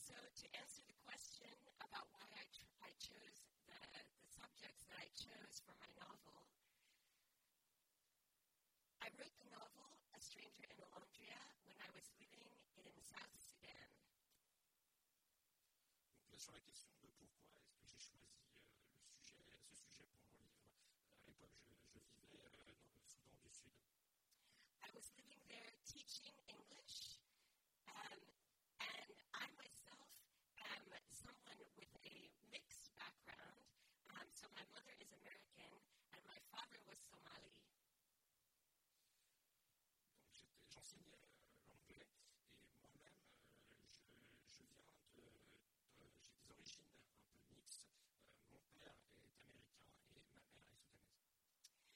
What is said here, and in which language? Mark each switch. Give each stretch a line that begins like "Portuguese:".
English: to answer the question about why I chose the subjects that I chose for my novel, I wrote the novel A Stranger in Alondria when I was living in South Sudan.
French: Donc là, sur la question de pourquoi est-ce que j'ai choisi le sujet, ce sujet pour mon livre, à l'époque je vivais dans le Soudan du Sud.
English: I was living there teaching English, and I myself am someone with a mixed background. So my mother is American, and my father was Somali.
French: Donc j'enseigne l'anglais, et moi-même, je viens de j'ai des origines un peu mixtes. Mon père est américain, et ma mère est soudanaise.